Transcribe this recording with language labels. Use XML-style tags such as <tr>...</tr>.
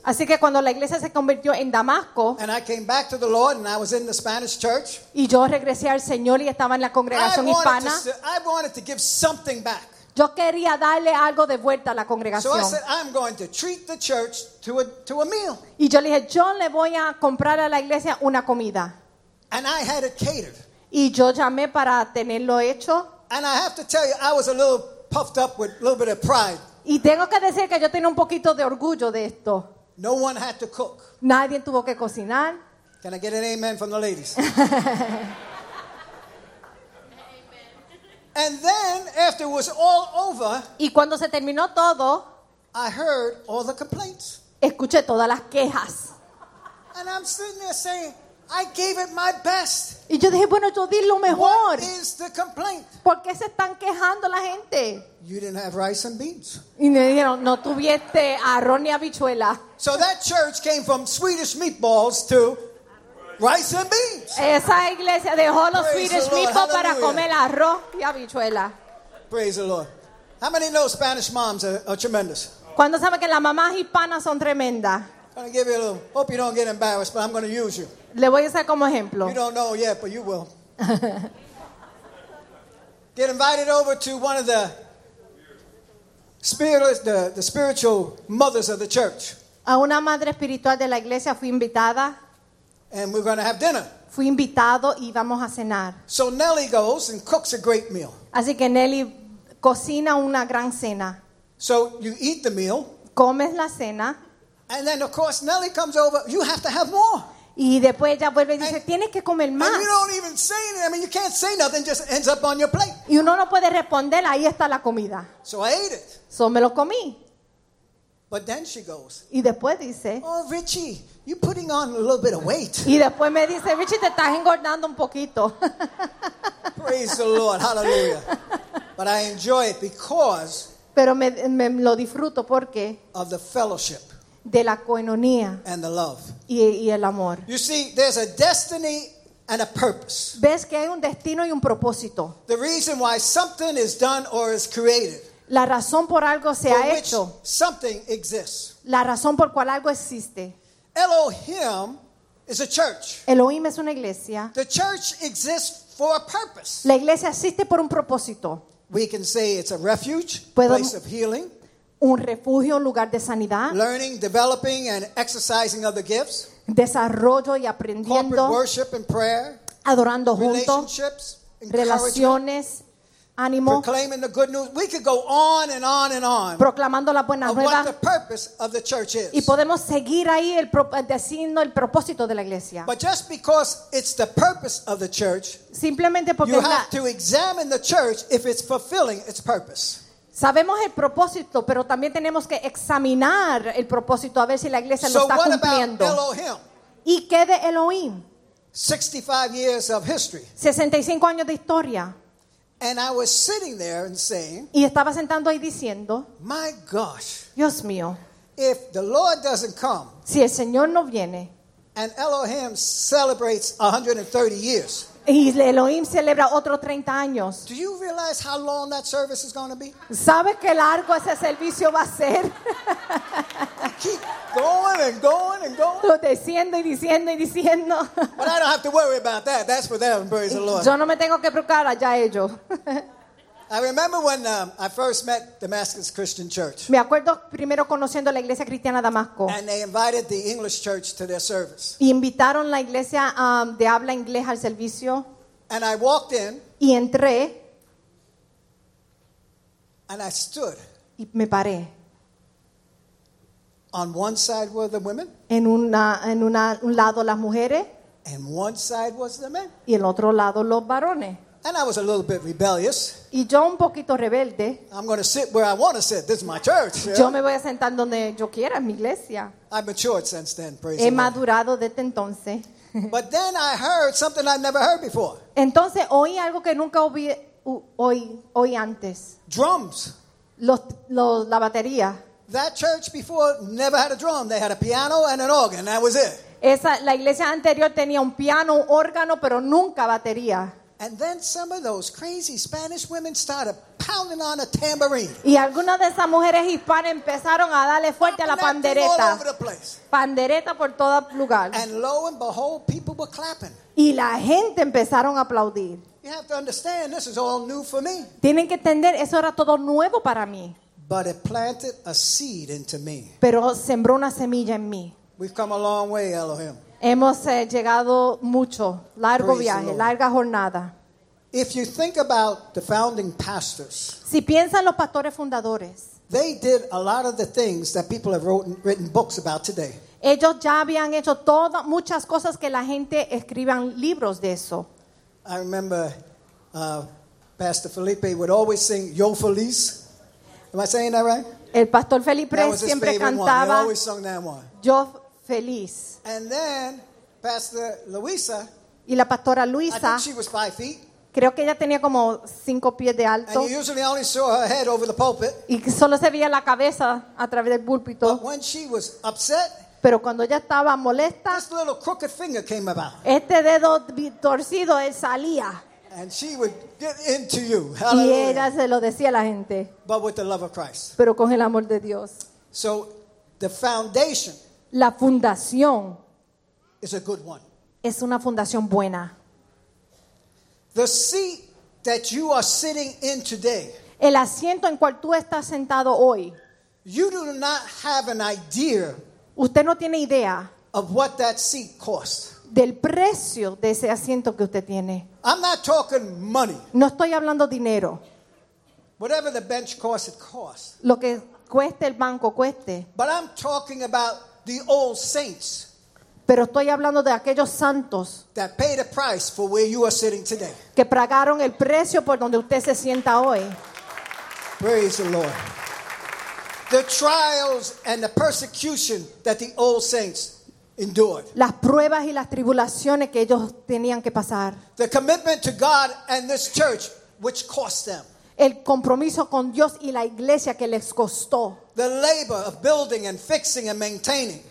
<es>así que cuando la iglesia se convirtió en Damasco,</es> <en>and I came back to the Lord and I was in the Spanish church,</en> <es>y yo regresé al Señor y estaba en la congregación hispana,</es> <en>I wanted to give something back.</en> <es>Yo quería darle algo de vuelta a la congregación.</es> <en>So I said, I'm going to treat the church to a meal.</en> <es>Y yo le dije, yo le voy a comprar a la iglesia una comida.</es> <en>And I had it catered.</en> <es>Y yo llamé para tenerlo hecho.</es> <en>And I have to tell you, I was a little puffed up with a little bit of pride.</en> <es>Y tengo que decir que yo tenía un poquito de orgullo de esto.</es> <en>No one had to cook.</en> <es>Nadie tuvo que cocinar.</es> <en>Can I get an amen from the ladies? And then after it was all over,</en> <es>y cuando se terminó todo,</es> <en>I heard all the complaints.</en> <es>Escuché todas las quejas.</es> <en>And I'm sitting there saying, I gave it my best.</en> <es>Y yo dije, bueno, yo di lo mejor.</es> <en>What is the complaint?</en> <es>¿Por qué se están quejando la gente?</es> <en>You didn't have rice and beans.</en> <es>Y me dijeron, no tuviste arroz ni habichuela.</es> <en>So that church came from Swedish meatballs to rice and beans.</en> <es>Esa iglesia dejó los Swedish meatballs para comer arroz y habichuela.</es> <en>Praise the Lord. How many know Spanish moms are tremendous?</en> <es>¿Cuándo sabe que las mamás hispanas son tremendas?</es> <en>I'm going to give you a little, hope you don't get embarrassed, but I'm going to use you.</en> <es>Le voy a usar como ejemplo.</es> <en>You don't know yet, but you will. Get invited over to one of the spiritual mothers of the church.</en> <es>A una madre espiritual de la iglesia fui invitada.</es> <en>And we're going to have dinner.</en> <es>Fui invitado y vamos a cenar.</es> <en>So Nelly goes and cooks a great meal.</en> <es>Así que Nelly cocina una gran cena.</es> <en>So you eat the meal.</en> <es>Comes la cena.</es> <en>And then of course Nelly comes over. You have to have more.</en> <es>Y después ella vuelve y dice, tienes que comer más.</es> <en>And you don't even say anything. I mean, you can't say nothing. Just ends up on your plate.</en> <es>Y uno no puede responder. Ahí está la comida.</es> <en>So I ate it.</en> <es>So me lo comí.</es> <en>But then she goes.</en> <es>Y después dice,</es> <en>oh, Richie, you're putting on a little bit of weight.</en> <es>Y después me dice, Richie, te estás engordando un poquito.</es> <en>Praise the Lord. Hallelujah. But I enjoy it because</en> <es>pero me lo disfruto porque</es> <en>of the fellowship.</en> <es>De la coenonía.</es> <en>And the love.</en> <es>Y el amor.</es> <en>You see, there's a destiny and a purpose.</en> <es>¿Ves que hay un destino y un propósito?</es> <en>The reason why something is done or is created.</en> <es>La razón por algo se</es> <en>for</en> <es>ha</es> <en>which</en> <es>hecho.</es> <en>Something exists.</en> <es>La razón por cual algo existe.</es> <en>Elohim is a church.</en> <es>Elohim es una iglesia.</es> <en>The church exists for a purpose.</en> <es>La iglesia existe por un propósito.</es> <en>We can say it's a refuge, place of healing.</en> <es>Un refugio, un lugar de sanidad.</es> <en>Learning, developing, and exercising other gifts.</en> <es>Desarrollo y aprendiendo.</es> <en>Corporate worship and prayer.</en> <es>Adorando juntos.</es> <en>Relationships,</en> <es>relaciones, ánimo.</es> <en>Proclaiming the good news. We could go on and on and on.</en> <es>Proclamando la buena nueva.</es> <en>What the purpose of the church is.</en> <es>Y podemos seguir ahí diciendo el propósito de la iglesia.</es> <en>But just because it's the purpose of the church,</en> <es>simplemente porque</es> <en>you have to examine the church if it's fulfilling its purpose.</en> <es>Sabemos el propósito, pero también tenemos que examinar el propósito a ver si la iglesia</es> <en>so</en> <es>lo está cumpliendo.</es> <en>Elohim?</en> <es>¿Y qué de Elohim?</es> <en>65 years of history.</en> <es>65 años de historia.</es> <en>And I was sitting there and saying,</en> <es>y estaba sentando ahí diciendo,</es> <en>my gosh,</en> <es>Dios mío,</es> <en>if the Lord doesn't come,</en> <es>si el Señor no viene,</es> <en>and Elohim celebrates 130 years,</en> <es>y Elohim celebra otros 30 años.</es> <en>Do you realize how long that service is going to be?</en> <es>¿Sabes qué largo ese servicio va a ser?</es> <en>Keep going and going and going.</en> <es>Lo diciendo y diciendo y diciendo.</es> <en>But I don't have to worry about that. That's for them, praise the Lord.</en> <es>Yo no me tengo que preocupar, allá ellos.</es> <en>I remember when I first met Damascus Christian Church.</en> <es>Me acuerdo primero conociendo la iglesia cristiana Damasco.</es> <en>And they invited the English church to their service.</en> <es>Y invitaron la iglesia de habla inglés al servicio.</es> <en>And I walked in.</en> <es>Y entré.</es> <en>And I stood.</en> <es>Y me paré.</es> <en>On one side were the women.</en> <es>En un lado las mujeres.</es> <en>And one side was the men.</en> <es>Y el otro lado los varones.</es> <en>And I was a little bit rebellious.</en> <es>Y yo un poquito rebelde.</es> <en>I'm going to sit where I want to sit. This is my church. Yeah?</en> <es>Yo me voy a sentar donde yo quiera, en mi iglesia.</es> <en>I've matured since then, praise</en> <es>God. He madurado desde entonces.</es> <en>But then I heard something I'd never heard before.</en> <es>Entonces oí algo que nunca oí antes.</es> <en>Drums.</en> <es>La batería.</es> <en>That church before never had a drum. They had a piano and an organ. That was it.</en> <es>La iglesia anterior tenía un piano, un órgano, pero nunca batería.</es> <en>And then some of those crazy Spanish women started pounding on a tambourine.</en> <es>Y algunas de esas mujeres hispanas empezaron a darle fuerte a la pandereta.</es> <en>All over the place.</en> <es>Pandereta por todo lugar.</es> <en>And lo and behold, people were clapping.</en> <es>Y la gente empezaron a aplaudir.</es> <en>You have to understand, this is all new for me.</en> <es>Tienen que entender, eso era todo nuevo para mí.</es> <en>But it planted a seed into me.</en> <es>Pero sembró una semilla en mí.</es> <en>We've come a long way, Elohim.</en> <es>Hemos llegado mucho, largo Praise viaje, larga jornada.</es> <en>If you think about the founding pastors,</en> <es>si piensan los pastores fundadores,</es> <en>they did a lot of the things that people have written books about today.</en> <es>Ellos ya habían hecho todas muchas cosas que la gente escriban libros de eso.</es> <en>I remember Pastor Felipe would always sing Yo Feliz. Am I saying that right?</en> <es>El pastor Felipe siempre cantaba</es> <en>one. He always sung that one.</en> <es>Yo Feliz.</es> <en>And then Pastor Luisa.</en> <es>Y la pastora Luisa.</es> <en>I think she was 5 feet.</en> <es>Creo que ella tenía como 5 pies de alto.</es> <en>And you usually only saw her head over the pulpit.</en> <es>Y solo se veía la cabeza a través del púlpito.</es> <en>But when she was upset.</en> <es>Pero cuando ella estaba molesta,</es> <en>this little crooked finger came about.</en> <es>Este dedo torcido él salía.</es> <en>And she would get into you.</en> <es>Y ella se lo decía a la gente.</es> <en>But with the love of Christ.</en> <es>Pero con el amor de Dios.</es> <en>So, the foundation,</en> <es>la fundación,</es> <en>is a good one.</en> <es>Es una fundación buena.</es> <en>The seat that you are sitting in today,</en> <es>el asiento en cual tú estás sentado hoy,</es> <en>you do not have an idea.</en> <es>Usted no tiene idea</es> <en>of what that seat costs.</en> <es>Del precio de ese asiento que usted tiene.</es> <en>I'm not talking money.</en> <es>No estoy hablando dinero.</es> <en>Whatever the bench costs, it costs.</en> <es>Lo que cueste el banco, cueste.</es> <en>But I'm talking about the old saints.</en> <es>Pero estoy hablando de aquellos santos</es> <en>that paid a price for where you are sitting today.</en> <es>Que pagaron el precio por donde usted se sienta hoy.</es> <en>Praise the Lord. The trials and the persecution that the old saints endured.</en> <es>Las pruebas y las tribulaciones que ellos tenían que pasar.</es> <en>The commitment to God and this church which cost them.</en> <es>El compromiso con Dios y la iglesia que les costó.</es> <en>The labor of building and fixing and maintaining.</en>